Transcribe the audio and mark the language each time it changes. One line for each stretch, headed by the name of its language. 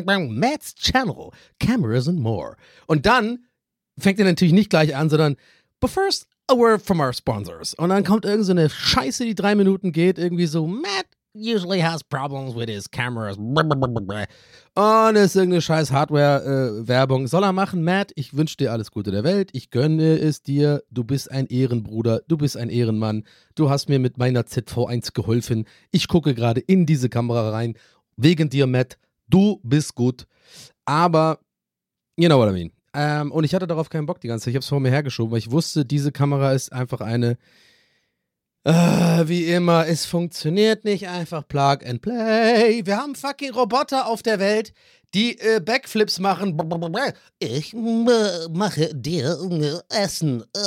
English: Matt's channel. Cameras and more.
German: Und dann fängt er natürlich nicht gleich an, sondern
English: but first, a word from our sponsors.
German: Und dann kommt irgend so eine Scheiße, die 3 Minuten geht, irgendwie so, Matt,
English: usually has problems with his cameras.
German: Und es ist irgendeine scheiß Hardware-Werbung. Soll er machen, Matt? Ich wünsche dir alles Gute der Welt. Ich gönne es dir. Du bist ein Ehrenbruder. Du bist ein Ehrenmann. Du hast mir mit meiner ZV1 geholfen. Ich gucke gerade in diese Kamera rein. Wegen dir, Matt. Du bist gut.
English: Aber, you know what I mean.
German: Und ich hatte darauf keinen Bock die ganze Zeit. Ich habe es vor mir hergeschoben, weil ich wusste, diese Kamera ist einfach eine... wie immer, es funktioniert nicht einfach Plug and Play. Wir haben fucking Roboter auf der Welt, die Backflips machen. Ich mache dir Essen.